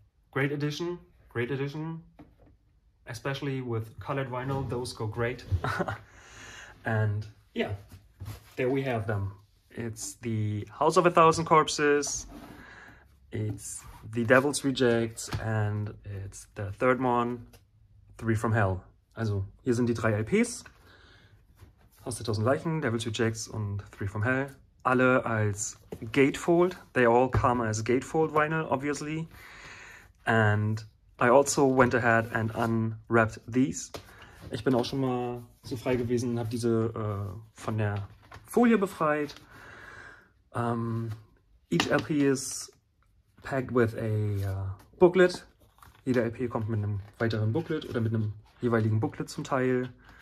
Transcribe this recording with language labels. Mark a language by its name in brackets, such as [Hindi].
[English] Great edition, great edition, especially with colored vinyl, those go great. And yeah, there we have them. It's the House of a Thousand Corpses, it's the Devil's Rejects, and it's the third one, Three from Hell. [German] Also, hier sind die drei LPs, House of a Thousand Leichen, Devil's Rejects und Three from Hell. Alle als Gatefold, [English] they all come as Gatefold vinyl, obviously. And I also went ahead and unwrapped these. [German] Ich bin auch schon mal so frei gewesen und habe diese von der Folie befreit. [English] Each LP is packed with a booklet. [German] Jeder LP kommt mit einem weiteren Booklet oder mit einem jeweiligen Booklet zum Teil.